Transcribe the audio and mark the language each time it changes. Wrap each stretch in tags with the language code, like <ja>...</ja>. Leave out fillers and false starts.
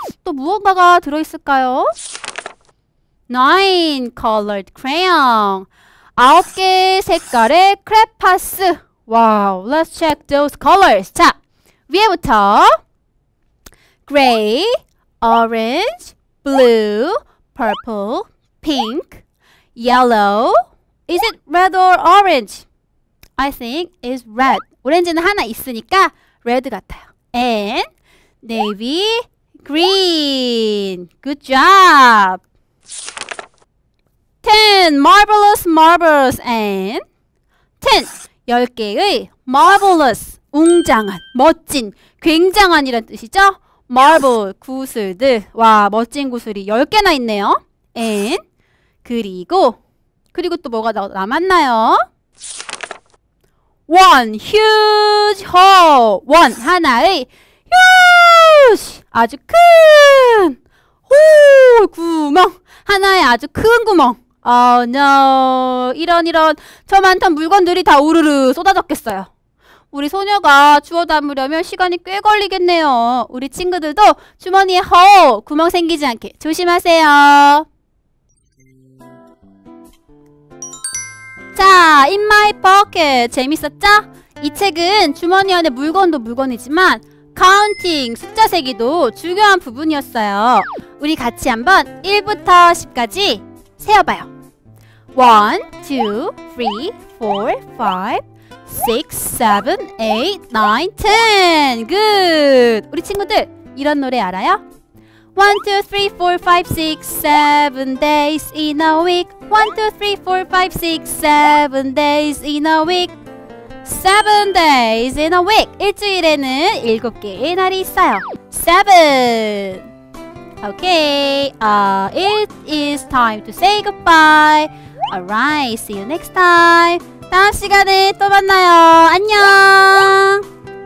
<ko>또 무언가가 들어 있을까요?</ko> <en>Nine colored crayon.</en> <ko>아홉 개 색깔의 크레파스.</ko> <en>Wow, let's check those colors.</en> <ko>자, 위에부터</ko> <en>gray, orange, blue, purple, pink, yellow. Is it red or orange? I think it's red.</en> <ko>오렌지는 하나 있으니까 red 같아요.</ko> <en>And navy green.</en> <ko>Robin.</ko> <en>Good job. 10 marvelous marbles and 10</en> <ko>10개의 marvelous 웅장한 멋진 굉장한 이런 뜻이죠? marble 구슬들. 와, 멋진 구슬이 10개나 있네요. and 그리고 또 뭐가 남았나요?</ko> <en>One huge hole. One 하나의 huge</en> <ko>아주 큰</ko> <en>hole 구멍.</en> <ko>하나의 아주 큰 구멍.</ko> <en>Oh no.</en> <ko>이런 저 많던 물건들이 다 우르르 쏟아졌겠어요. 우리 소녀가 주워 담으려면 시간이 꽤 걸리겠네요. 우리 친구들도 주머니에 hole 구멍 생기지 않게 조심하세요. 자, In My Pocket 재밌었죠? 이 책은 주머니 안에 물건도 물건이지만 카운팅, 숫자 세기도 중요한 부분이었어요. 우리 같이 한번 1부터 10까지 세어봐요. 1, 2, 3, 4, 5, 6, 7, 8, 9, 10</ko> <en>Good!</en> <ko>우리 친구들 이런 노래 알아요?</ko> <en>1, 2, 3, 4, 5, 6, 7 days in a week 1, 2, 3, 4, 5, 6, 7 days in a week 7 days in a week</en> <ko>일주일에는 7개의 날이 있어요</ko> <en>7 Okay, it is time to say goodbye Alright, see you next time</en> <ko>다음 시간에 또 만나요 안녕</ko>